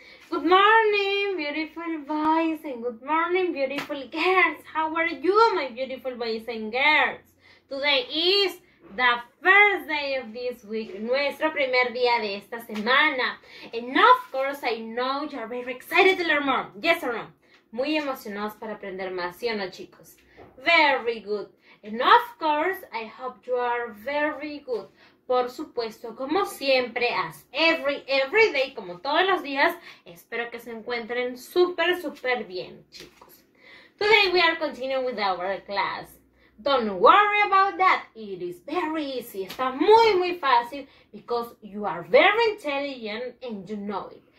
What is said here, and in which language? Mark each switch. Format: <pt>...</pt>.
<en>Good morning, beautiful boys and good morning, beautiful girls. How are you, my beautiful boys and girls? Today is the first day of this week,</en> <es>nuestro primer día de esta semana.</es> <en>And of course, I know you're very excited to learn more. Yes or no?</en> <es>Muy emocionados para aprender más, ¿sí o no, chicos?</es> <en>Very good. And of course, I hope you are very good.</en> <es>Por supuesto, como siempre,</es> <en>as every day,</en> <es>como todos los días, espero que se encuentren súper, súper bien, chicos.</es> <en>Today we are continuing with our class. Don't worry about that. It is very easy.</en> <es>Está muy, muy fácil</es> <en>because you are very intelligent and you know it.</en>